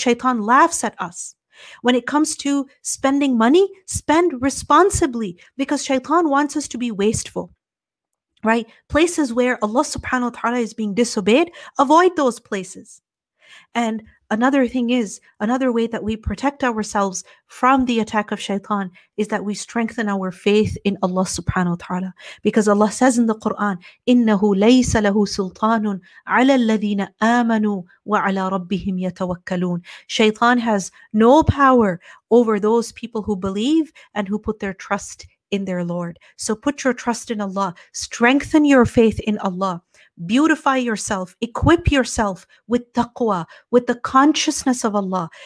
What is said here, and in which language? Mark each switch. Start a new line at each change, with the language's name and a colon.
English: Shaitan laughs at us. When it comes to spending money, spend responsibly, because shaitan wants us to be wasteful, right? Places where Allah subhanahu wa ta'ala is being disobeyed, avoid those places. And another thing is, another way that we protect ourselves from the attack of shaitan is that we strengthen our faith in Allah subhanahu wa ta'ala. Because Allah says in the Quran,
Arabic: إِنَّهُ لَيْسَ لَهُ سُلْطَانٌ عَلَى الَّذِينَ آمَنُوا وَعَلَى رَبِّهِمْ يَتَوَكَّلُونَ.
English: Shaitan has no power over those people who believe and who put their trust in their Lord. So put your trust in Allah. Strengthen your faith in Allah. Beautify yourself, equip yourself with taqwa, with the consciousness of Allah.